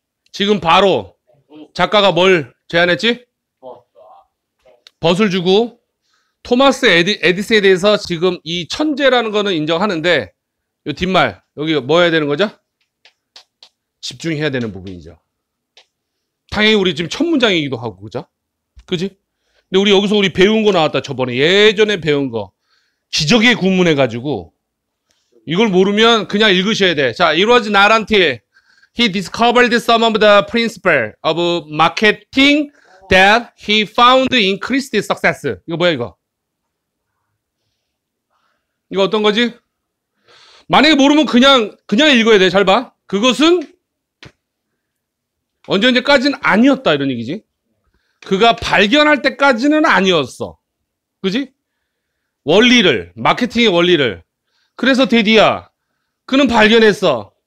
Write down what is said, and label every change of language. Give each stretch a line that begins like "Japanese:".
Korean: 지금 바로 작가가 뭘 제안했지? 벗을 주고, 토마스 에디슨에 대해서 지금 이 천재라는 거는 인정하는데 이 뒷말 여기 뭐 해야 되는 거죠? 집중해야 되는 부분이죠. 당연히 우리 지금 첫 문장이기도 하고 그죠? 그지? 근데 우리 여기서 우리 배운 거 나왔다 저번에 예전에 배운 거 기적의 구문 해가지고 이걸 모르면 그냥 읽으셔야 돼.
English: 자, it was not until he discovered some of the principle of marketing that he found increased success.
Korean: 이거 뭐야 이거? 이거 어떤 거지? 만약에 모르면 그냥 읽어야 돼. 잘 봐. 그것은 언제까지는 아니었다. 이런 얘기지. 그가 발견할 때까지는 아니었어. 그지? 원리를, 마케팅의 원리를. 그래서 드디어 그는 발견했어.